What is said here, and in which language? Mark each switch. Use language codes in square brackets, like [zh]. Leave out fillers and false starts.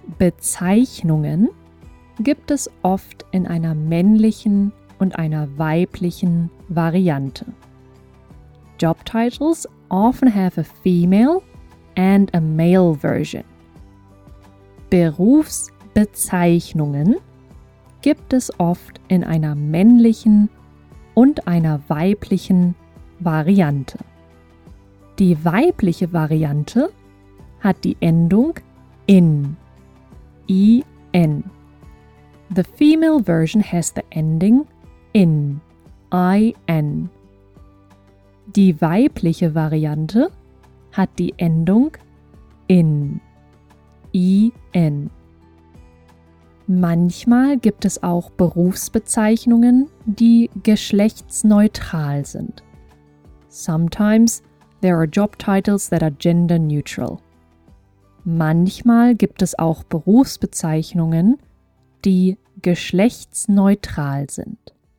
[de] Berufsbezeichnungen gibt es oft in einer männlichen und einer weiblichen Variante. [en] Job titles often have a female and a male version. [de] Berufsbezeichnungen gibt es oft in einer männlichen und einer weiblichen Variante. Die weibliche Variante hat die Endung in, I-N. [en] The female version has the ending in, I-N. [de] Die weibliche Variante hat die Endung in, I-N. Manchmal gibt es auch Berufsbezeichnungen, die geschlechtsneutral sind. [en] Sometimes there are job titles that are gender neutral. [de] Manchmal gibt es auch Berufsbezeichnungen, die geschlechtsneutral sind.